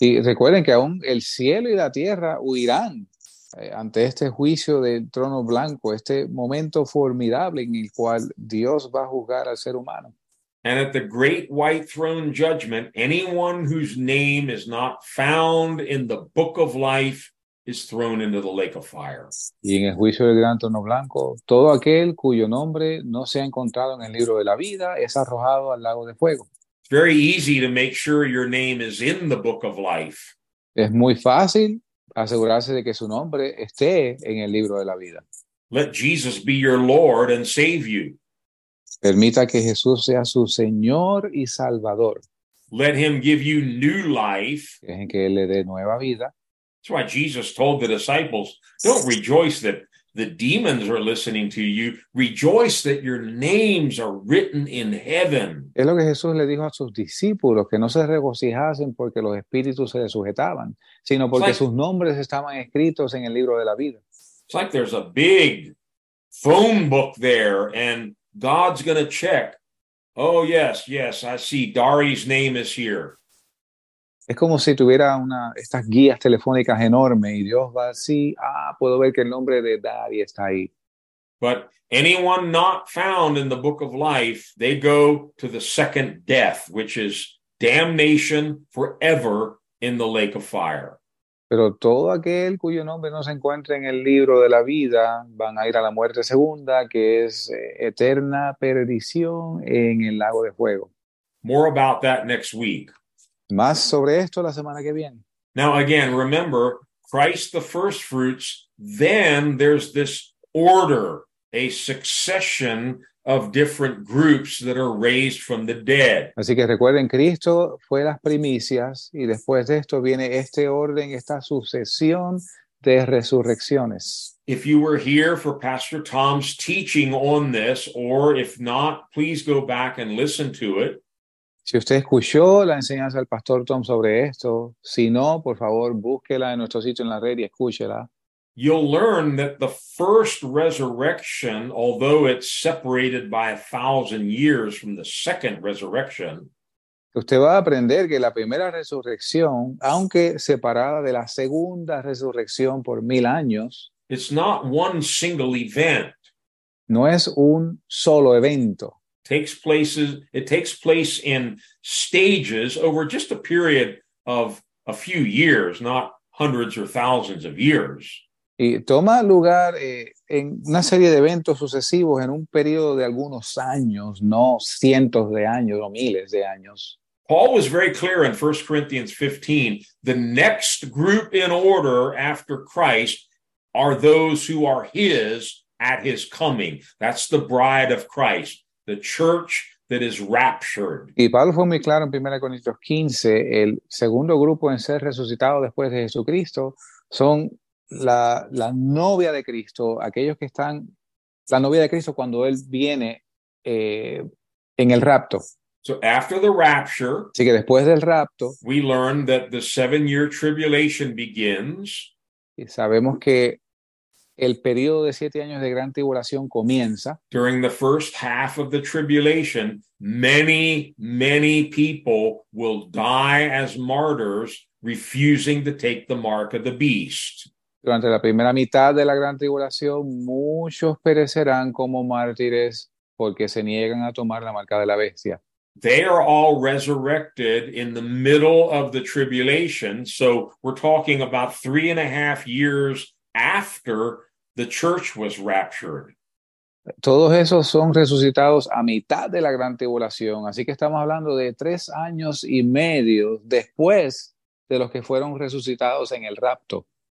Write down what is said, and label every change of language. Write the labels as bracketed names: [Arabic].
[Spanish] Y recuerden que aún el cielo y la tierra huirán ante este juicio del trono blanco, este momento formidable en el cual Dios va a juzgar al ser humano. [English] And at the great white throne judgment, anyone whose name is not found in the book of life is thrown into the lake of fire. [Spanish] Y en el juicio del gran trono blanco, todo aquel cuyo nombre no se ha encontrado en el libro de la vida es arrojado al lago de fuego. [English] It's very easy to make sure your name is in the book of life. [Spanish] Es muy fácil asegurarse de que su nombre esté en el libro de la vida. [English] Let Jesus be your Lord and save you. [Spanish] Permita que Jesús sea su Señor y Salvador. [English] Let him give you new life. [Spanish] Dejen que él le dé nueva vida. [English] That's why Jesus told the disciples, don't rejoice that the demons are listening to you. Rejoice that your names are written in heaven. [Spanish] Es lo que Jesús le dijo a sus discípulos, que no se regocijasen porque los espíritus se les sujetaban, sino porque sus nombres estaban escritos en el libro de la vida. [English] It's like there's a big phone book there and God's going to check. Oh, yes, yes, I see Dari's name is here. [Spanish] Es como si tuviera estas guías telefónicas enormes y Dios va así, puedo ver que el nombre de Dari está ahí. [English] But anyone not found in the book of life, they go to the second death, which is damnation forever in the lake of fire. [Spanish] Pero todo aquel cuyo nombre no se encuentra en el libro de la vida van a ir a la muerte segunda, que es eterna perdición en el lago de fuego. [English] More about that next week. [Spanish] Más sobre esto la semana que viene. [English] Now again, remember, Christ the first fruits, then there's this order, a succession of different groups that are raised from the dead. [Spanish] Así que recuerden, Cristo fue las primicias y después de esto viene este orden, esta sucesión de resurrecciones. [English] If you were here for Pastor Tom's teaching on this, or if not, please go back and listen to it. [Spanish] Si usted escuchó la enseñanza del Pastor Tom sobre esto, si no, por favor, búsquela en nuestro sitio en la red y escúchela. [English] You'll learn that the first resurrection, although it's separated by 1,000 years from the second resurrection, [Spanish] usted va a aprender que la primera resurrección, aunque separada de la segunda resurrección por 1,000 años, [English] it's not one single event. [Spanish] No es un solo evento. [English] It takes place in stages over just a period of a few years, not hundreds or thousands of years. [Spanish] Y toma lugar en una serie de eventos sucesivos en un periodo de algunos años, no cientos de años o miles de años. [English] Paul was very clear in 1 Corinthians 15, the next group in order after Christ are those who are his at his coming. That's the bride of Christ, the church that is raptured. [Spanish] Y Pablo fue muy claro en 1 Corintios 15, el segundo grupo en ser resucitado después de Jesucristo son la novia de Cristo, aquellos que están, la novia de Cristo cuando Él viene en el rapto. [English] So after the rapture, [Spanish] así que después del rapto, [English] we learn that the 7-year tribulation begins. [Spanish] Y sabemos que el periodo de 7 años de gran tribulación comienza. [English] During the first half of the tribulation, many, many people will die as martyrs, refusing to take the mark of the beast. [Spanish] Durante la primera mitad de la gran tribulación, muchos perecerán como mártires porque se niegan a tomar la marca de la bestia. [English] They are all resurrected in the middle of the tribulation, so we're talking about 3.5 years after the church was raptured. [Spanish] Todos esos son resucitados a mitad de la gran tribulación, así que estamos hablando de 3 años y medio después de los que fueron resucitados en el rapto.